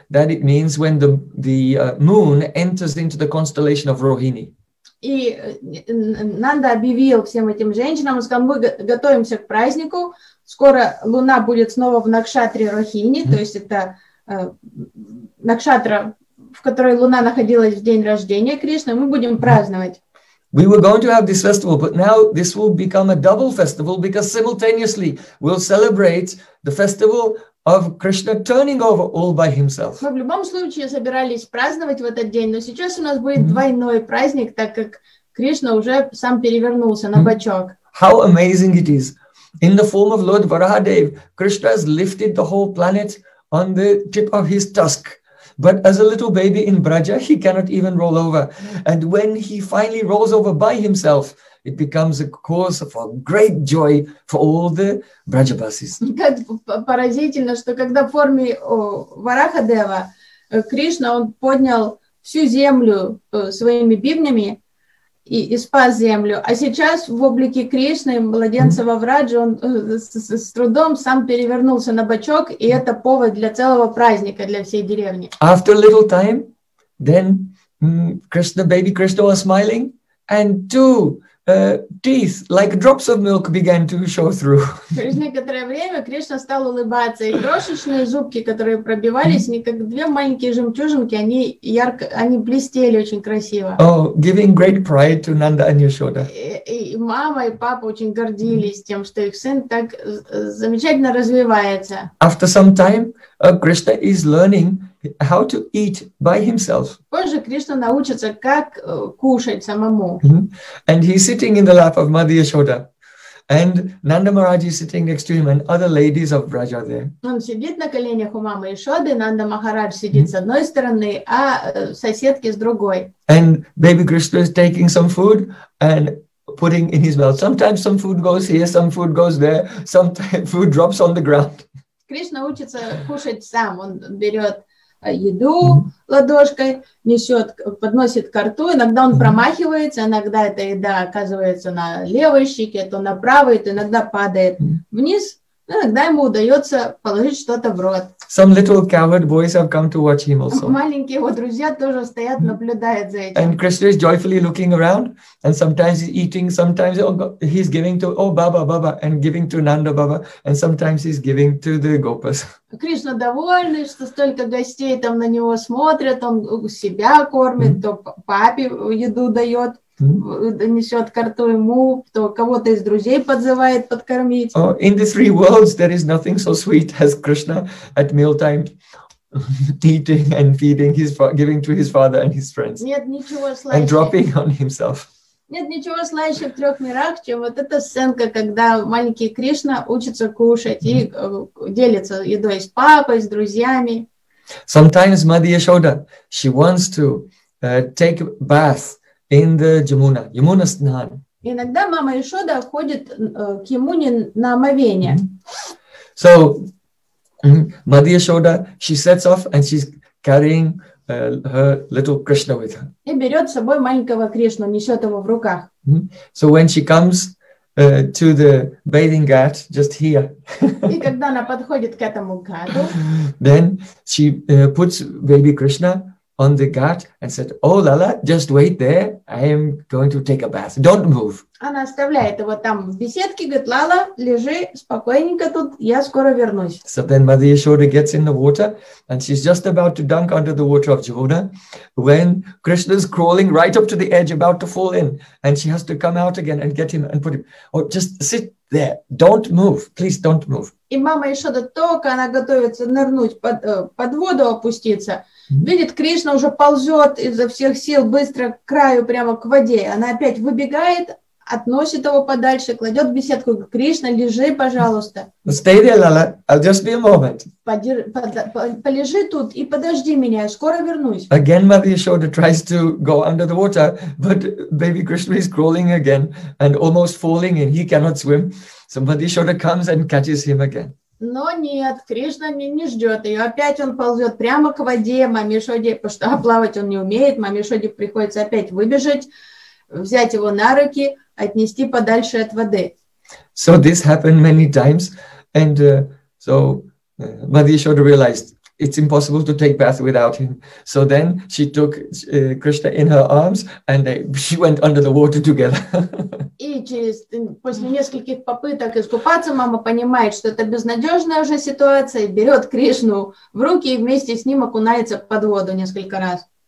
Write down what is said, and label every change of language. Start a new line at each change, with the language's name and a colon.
English: That it means when the moon enters into the constellation of Rohini.
Russian: И Нанда объявил всем этим женщинам, сказал, мы готовимся к празднику. Скоро луна будет снова в накшатре Рохини, то есть это накшатра, в которой луна находилась в день рождения Кришны. Мы будем праздновать.
English: We were going to have this festival, but now this will become a double festival because simultaneously we'll celebrate the festival of Krishna turning over all by himself.
Russian: Мы в любом случае собирались праздновать в этот день, но сейчас у нас будет двойной праздник, так как Кришна уже сам перевернулся на бочок.
English: How amazing it is. In the form of Lord Varahadev, Krishna has lifted the whole planet on the tip of his tusk. But as a little baby in Braja, he cannot even roll over. And when he finally rolls over by himself, it becomes a cause for great joy for all the Brajabasis.
Russian: Поразительно, что когда в форме Варахадева Кришна он поднял всю землю своими бивнями и спас землю, а сейчас в облике Кришны, младенца во Врадже, он с трудом сам перевернулся на бочок, и это повод для целого праздника для всей деревни.
English: After a little time, then Krishna, baby Krishna was smiling, and two teeth, like drops of milk, began to show through.
Russian: Через некоторое время Кришна стал улыбаться, и крошечные зубки, которые пробивались, не как две маленькие жемчужинки, они ярко, они блестели очень красиво.
English: Oh, giving great pride to Nanda and Yashoda.
Russian: И мама, и папа очень гордились тем, что их сын так замечательно развивается.
English: After some time, Krishna is learning how to eat by himself.
Russian: Позже Кришна научится, как кушать самому.
English: And he's sitting in the lap of Mother Yashoda. And Nanda Maharaj is sitting next to him and other ladies of Braja are there.
Russian: Он сидит на коленях у мамы Ишоды, Нанда Махарадж сидит с одной стороны, а соседки с другой.
English: And baby Krishna is taking some food and putting in his mouth. Sometimes some food goes here, some food goes there, sometimes food drops on the ground.
Russian: Кришна учится кушать сам. Он берет еду ладошкой, несет, подносит ко рту, иногда он промахивается, иногда эта еда оказывается на левой щеке, то на правой, то иногда падает вниз, иногда ему удается положить что-то в рот.
English: Some little coward boys have come to watch him also.
Russian: Маленькие его друзья тоже стоят, наблюдают за этим.
English: And Krishna is joyfully looking around, and sometimes he's eating, sometimes he's giving to, Baba, Baba, and giving to Nanda Baba, and sometimes he's giving to the gopas.
Russian: Кришна довольный, что столько гостей там на него смотрят, он себя кормит, то папе еду дает, несет ко рту ему, то кого-то из друзей подзывает подкормить.
English: Oh, in the three worlds there is nothing so sweet as Krishna at mealtime eating and feeding his, giving to his father and his friends.
Russian: Нет ничего слаще.
English: And dropping on himself.
Russian: Нет ничего слаще в трех мирах, чем вот эта сценка, когда маленький Кришна учится кушать и делится едой с папой, с друзьями.
English: Sometimes Mother Yashoda, she wants to take a bath in the Jamuna, Yamuna Snan.
Russian: Иногда мама Ишода ходит к Ямуне на омовение.
English: So, Mother Yashoda, she sets off and she's carrying her little Krishna with her.
Russian: И берет с собой маленького Кришну, несет его в руках.
English: So when she comes to the bathing ghat, just here.
Russian: И когда она подходит к этому гату,
English: then she puts baby Krishna on the ghat and said, "Oh, Lala, just wait there. I am going to take a bath. Don't move."
Russian: Она оставляет его там в беседке, говорит: "Лала, лежи спокойненько тут, я скоро вернусь."
English: So then Mother Yashoda gets in the water and she's just about to dunk under the water of Jamuna when Krishna is crawling right up to the edge, about to fall in, and she has to come out again and get him and put him. Oh, just sit there. Don't move. Please don't move.
Russian: И мама Яшода только она готовится нырнуть под воду опуститься. Видит, Кришна уже ползет изо всех сил быстро к краю, прямо к воде. Она опять выбегает, относит его подальше, кладет в беседку. Кришна, лежи, пожалуйста.
English: Stay there, Lala. I'll just be a moment.
Russian: Полежи тут и подожди меня, я скоро вернусь.
English: Again, Mother Yashoda tries to go under the water, but baby Krishna is crawling again and almost falling, and he cannot swim. So Mother Yashoda comes and catches him again.
Russian: Но нет, Кришна не ждет ее. Опять он ползет прямо к воде. Маме Шоде, потому что плавать он не умеет, маме Шоде приходится опять выбежать, взять его на руки, отнести подальше от воды.
English: So this happened many times. And Mother Yashoda realized it's impossible to take bath without him. So then she took Krishna in her arms and she went under the water together.
Russian: И через после нескольких попыток искупаться мама понимает, что это безнадежная уже ситуация, берет Кришну в руки и вместе с ним окунается под воду несколько раз.